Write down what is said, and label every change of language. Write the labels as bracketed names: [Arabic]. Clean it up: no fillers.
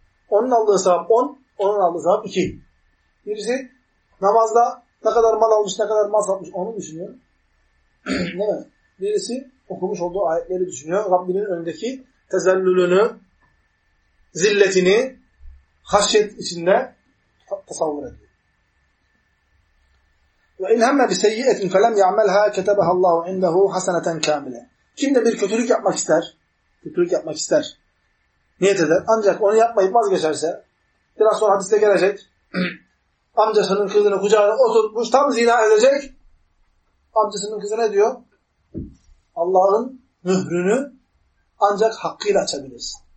[Turkish] Onun aldığı sevap 10, onun aldığı sevap 2. Birisi namazda ne kadar mal almış, ne kadar mal satmış onu düşünüyor. Değil mi? Birisi okumuş olduğu ayetleri düşünüyor. Rabbinin önündeki tezellülünü, zilletini, haşyet içinde tasavvur ediyor. [Arabic] وإن هم بسيئة فلم يعملها كتبها الله عنده حسنة كاملة. [Turkish] Kim de bir kötülük yapmak ister, kötülük yapmak ister, niyet eder. Ancak onu yapmayıp vazgeçerse, biraz sonra hadiste gelecek, amcasının kızını kucağına oturtmuş, tam zina edecek, amcasının kızı ne diyor? Allah'ın mührünü ancak hakkıyla açabilirsin.